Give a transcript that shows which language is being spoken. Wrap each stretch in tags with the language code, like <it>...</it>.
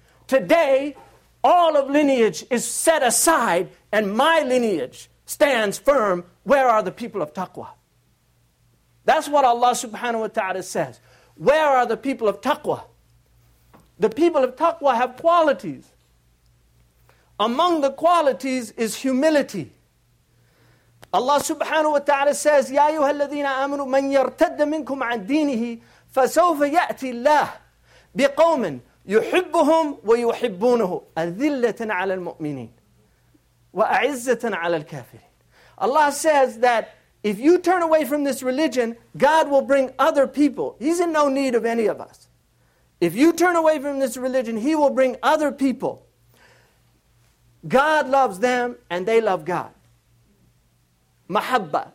<en>Today, all of lineage is set aside and my lineage stands firm. Where are the people of taqwa? That's what Allah subhanahu wa ta'ala says. Where are the people of taqwa? The people of taqwa have qualities. Among the qualities is humility.</en> <ar>Allah subhanahu wa ta'ala says, يَا أَيُّهَا الَّذِينَ آمَنُوا مَنْ يَرْتَدَّ مِنْكُمْ عَنْ دِينِهِ فَسَوْفَ يَأْتِ اللَّهِ بِقَوْمٍ يُحِبُّهُمْ وَيُحِبُّونَهُ أَذِلَّةً عَلَى الْمُؤْمِنِينَ وَأَعِزَّةً عَلَى الْكَافِرِينَ.</ar> <en>Allah says that if you turn away from this religion, God will bring other people. He's in no need of any of us. If you turn away from this religion, He will bring other people. God loves them and they love God. Mahabba.</en>